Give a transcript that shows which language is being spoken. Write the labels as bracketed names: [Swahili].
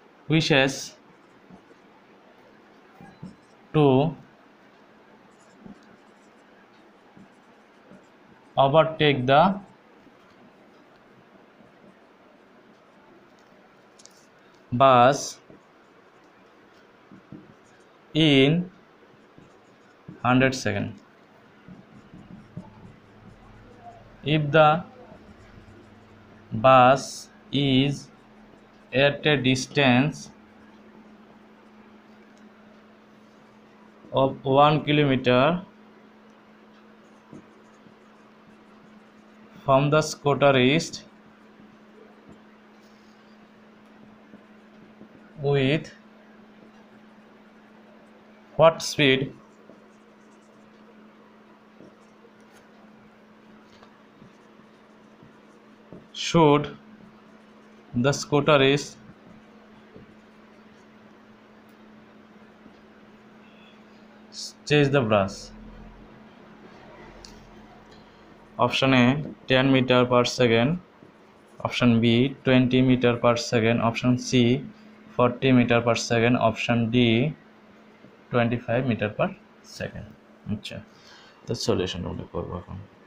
[English] Wishes to overtake the bus in 100 seconds. If the bus is at a distance of 1 kilometer from the scooter east with what speed should the scooter east chase the bus? [Bangla] Option A 10 metre per second, option B 20 metre per second, option C 40 metre per second, option D 25 metre per second. আচ্ছা, তো solution করবো এখন।